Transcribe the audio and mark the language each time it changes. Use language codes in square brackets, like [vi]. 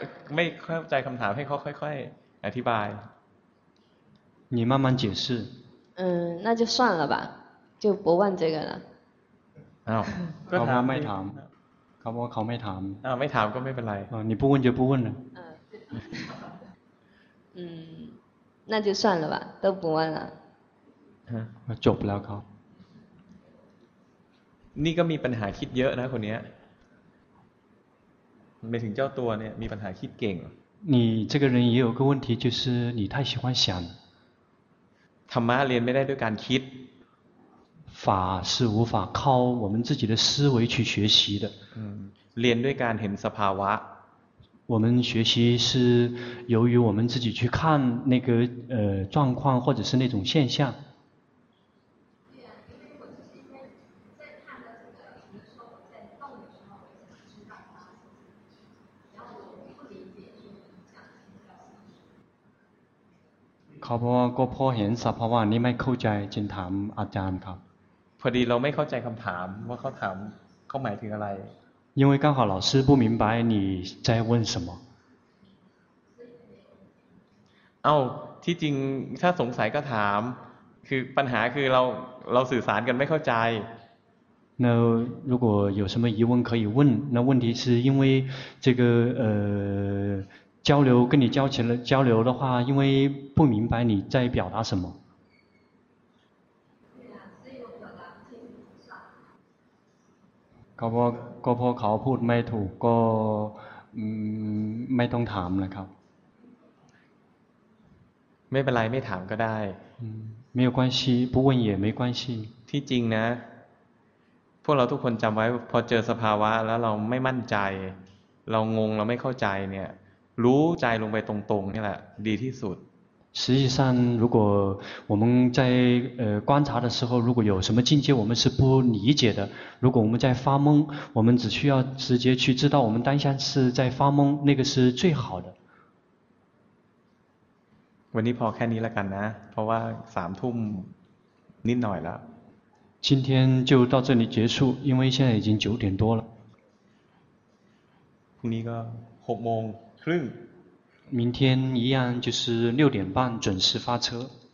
[zh] 没在 [th] คำถามให้เขาค่อยๆอธิบาย [zh] 你慢慢解释。嗯，那就算了吧，就不问这个了。啊，他们 [th] ไม่ถาม，เขาบอกว่าเขาไม่ถาม。啊，ไม่ถามก็ไม่เป็นไร。 [zh] 你不问就不问了。嗯，那就算了吧，都不问了。 [th] จบแล้วครับ นี่ก็มีปัญหาคิดเยอะนะคนนี้ไม่ถึงเจ้าตัวเนี่ยมีปัญหาคิดเก่ง [zh] 你这个人也有个问题就是你太喜欢想 [th] ธรรมะเรียนไม่ได้ด้วยการคิด [zh] 法是无法靠我们自己的思维去学习的 [th] เรียนด้วยการเห็นสภาวะ [zh] 我们学习是由于我们自己去看那个状况或者是那种现象 [th] เขาบอกว่าก็พอเห็นสภาวะนี้ไม่เข้าใจจึงถามอาจารย์ครับ พอดีเราไม่เข้าใจคำถามว่าเขาถามเขาหมายถึงอะไร [zh] 因为刚好老师不明白你在问什么 [th] เอ้าที่จริงถ้าสงสัยก็ถามคือปัญหาคือเราสื่อสารกันไม่เข้าใจ [zh] 那如果有什么疑问可以问那问题是因为这个交流跟你交起了交流的话，因为不明白你在表达什么。 [th] เขาบอกก็พอเขาพูดไม่ถูกก็ไม่ต้องถามนะครับ ไม่เป็นไรไม่ถามก็ได้ [zh] 没有关系不问也没关系 [th] ที่จริงนะพวกเราทุกคนจำไว้พอเจอสภาวะแล้วเราไม่มั่นใจเรางงเราไม่เข้าใจเนี่ยรู้ใจลงไปตรงๆนี่แหละดีที่สุด [zh] 实际上如果我们在观察的时候如果有什么境界我们是不理解的如果我们在发懵我们只需要直接去知道我们当下是在发懵那个是最好的 [th] วันนี้พอแค่นี้ละกันนะเพราะว่าสามทุ่มนิดหน่อยแล้ว [zh] 今天就到这里结束因为现在已经九点多了 [th] พรุ่งนี้ก็หกโมง [zh] 明天一样就是6:30准时发车。